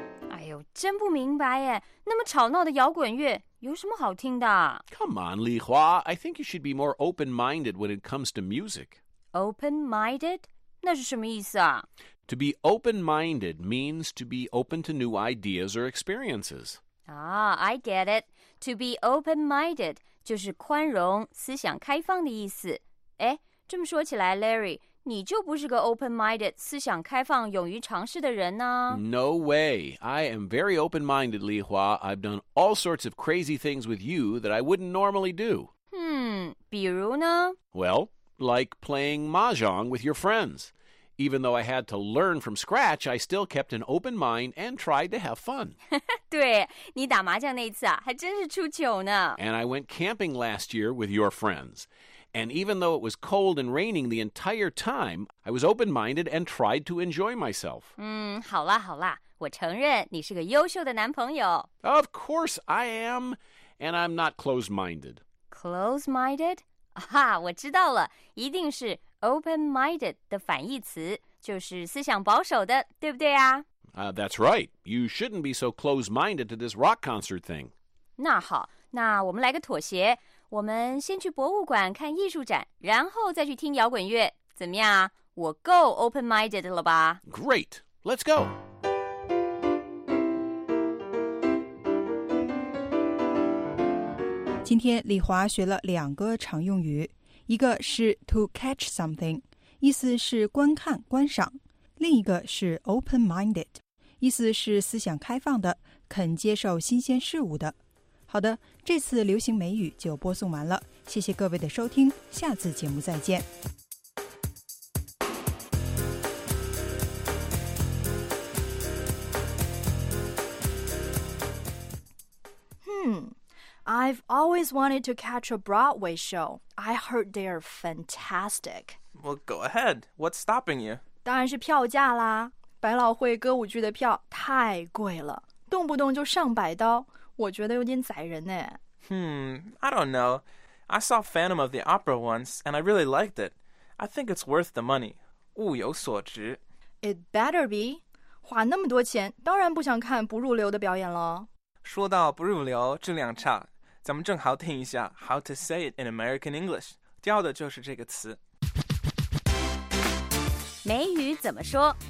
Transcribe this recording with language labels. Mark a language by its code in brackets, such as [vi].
[zh] 哎呦，真不明白耶，那么吵闹的摇滚乐。有什么好听的？ [en] Come on, Li Hua. I think you should be more open-minded when it comes to music. [zh] Open-minded? 那是什么意思啊？ [en] To be open-minded means to be open to new ideas or experiences. Ah, I get it. [zh] To be open-minded 就是宽容、思想开放的意思。哎，这么说起来 ，Larry， 你就不是个 open-minded、思想开放、勇于尝试的人呢、啊、 [en] ？No way. I am very open-minded, Li Hua. I've done all sorts of crazy things with you that I wouldn't normally do. [zh] Hmm, 比如呢 [en] ？Well, like playing mahjong with your friends. Even though I had to learn from scratch, I still kept an open mind and tried to have fun. [zh] 对，你打麻将那次啊，还真是出糗呢。 [en] And I went camping last year with your friends. And even though it was cold and raining the entire time, I was open-minded and tried to enjoy myself. [zh] 嗯，好啦好啦，我承认你是个优秀的男朋友。 [en] Of course I am, and I'm not close-minded. [zh] Close-minded? 啊，我知道了，一定是 open-minded 的反义词，就是思想保守的，对不对啊？ [en] That's right. You shouldn't be so close-minded to this rock concert thing. [zh] 那好，那我们来个妥协。我们先去博物馆看艺术展，然后再去听摇滚乐，怎么样啊？我够 open-minded 了吧 [en] ？Great, let's go. [zh] 今天李华学了两个常用语，一个是 to catch something， 意思是观看、观赏；另一个是 open-minded， 意思是思想开放的，肯接受新鲜事物的。好的，这次流行美语就播送完了，谢谢各位的收听，下次节目再见。 [en] I've always wanted to catch a Broadway show. I heard they are fantastic. Well, go ahead. What's stopping you? [zh] 当然是票价啦，百老汇歌舞剧的票太贵了，动不动就上百刀。我觉得有点宰人呢。 [en] I don't know. I saw Phantom of the Opera once, and I really liked it. I think it's worth the money. [zh] 物有所值。 [en] It better be. [zh] 花那么多钱，当然不想看不入流的表演了。说到不入流，质量差，咱们正好听一下 [en] How to say it in American English， [zh] 教的就是这个词。美语怎么说